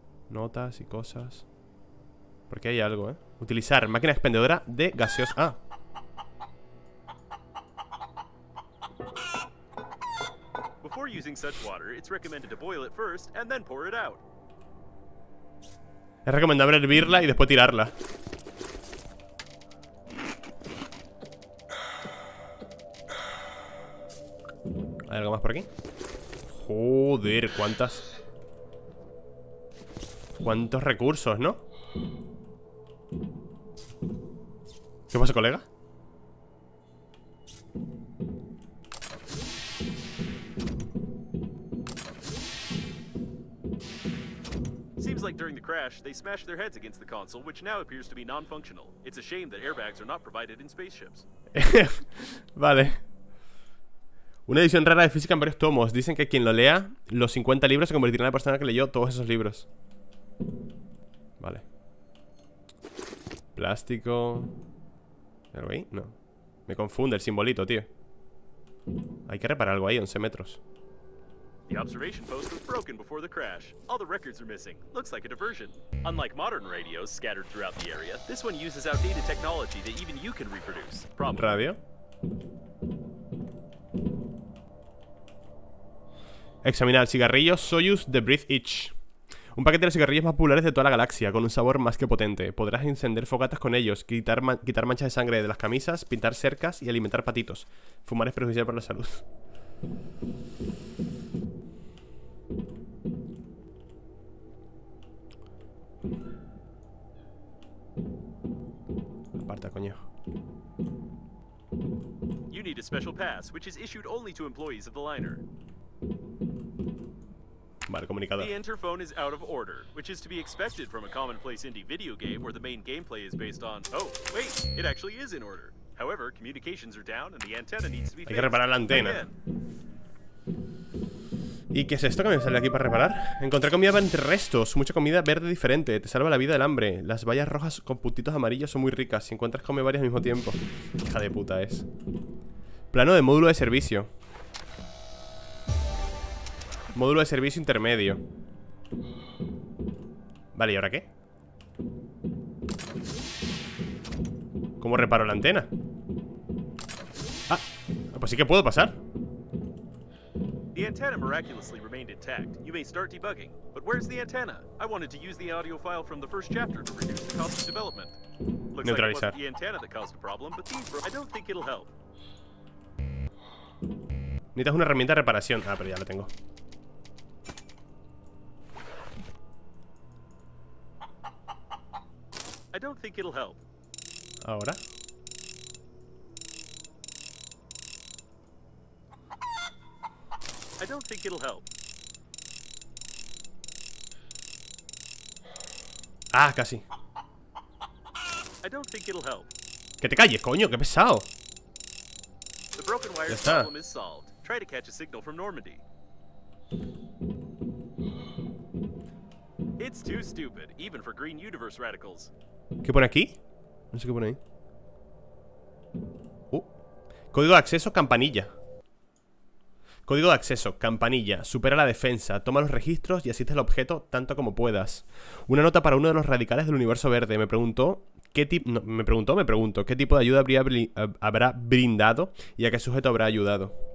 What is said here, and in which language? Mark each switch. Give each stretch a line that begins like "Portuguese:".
Spanish: Notas y cosas. Porque hay algo, ¿eh? Utilizar máquina expendedora de gaseosa. Ah.
English: Before using such water, it's recommended to boil it first and then pour it out.
Spanish: Es recomendable hervirla y después tirarla. ¿Hay algo más por aquí? Joder, cuántas. Cuántos recursos, ¿no? ¿Qué pasa, colega?
English: Seems like during the crash, they smashed their heads against the console, which now appears to be non-functional. It's a shame that airbags are not provided in spaceships.
Spanish: Vale. Una edición rara de física en varios tomos. Dicen que quien lo lea los 50 libros se convertirá en la persona que leyó todos esos libros. Vale. Plástico. ¿Algo ahí? No. Me confunde el simbolito, tío. Hay que reparar algo ahí, 11 metros.
English: The observation post was broken before the crash. All the records are missing. Looks like a diversion. Unlike modern radios scattered throughout the area, this one uses outdated technology that even you can reproduce. Problem. Radio.
Spanish: Examinar cigarrillos Soyuz de Breath Itch. Un paquete de los cigarrillos más populares de toda la galaxia, con un sabor más que potente. Podrás encender fogatas con ellos, quitar manchas de sangre de las camisas, pintar cercas y alimentar patitos. Fumar es perjudicial para la salud. Aparta, coño.
English: You need a special pass, which is issued only to employees of the liner.
Spanish: Vale, comunicador.
English: The interphone is out of order, which is to be expected from a commonplace indie video game where the main gameplay is based on. Oh, wait, it actually is in order. However, communications are down and the antenna needs to be fixed.
Spanish: Hay que reparar la antena. ¿Y qué es esto que me sale aquí para reparar? Encontré comida entre restos. Mucha comida verde diferente. Te salva la vida del hambre. Las bayas rojas con puntitos amarillos son muy ricas. Si encuentras, come varias al mismo tiempo. Hija de puta es. Plano de módulo de servicio. Módulo de servicio intermedio. Vale, ¿y ahora qué? ¿Cómo reparo la antena? Ah, pues sí que puedo pasar.
English: The antenna miraculously remained intact. You may start debugging. But where's the antenna? I wanted to use the audio file from the first chapter to reduce the cost of development. Looks like it wasn't the antenna that caused the problem, but these I don't think it'll help.
Spanish: Necesitas una herramienta de reparación. Ah, pero ya la tengo.
English: I don't think it'll help.
Spanish: Ahora.
English: I don't think it'll help.
Spanish: Ah, casi.
English: I don't think it'll help.
Spanish: Que te calles, coño, qué pesado.
English: The broken wire problem is solved. Try to catch a signal from Normandy. It's too stupid, even for Green Universe radicals.
Spanish: ¿Qué pone aquí? No sé qué pone ahí. Código de acceso, campanilla. Código de acceso, campanilla. Supera la defensa, toma los registros y asiste al objeto tanto como puedas. Una nota para uno de los radicales del universo verde. Me preguntó qué tipo. No, me pregunto qué tipo de ayuda habrá brindado y a qué sujeto habrá ayudado.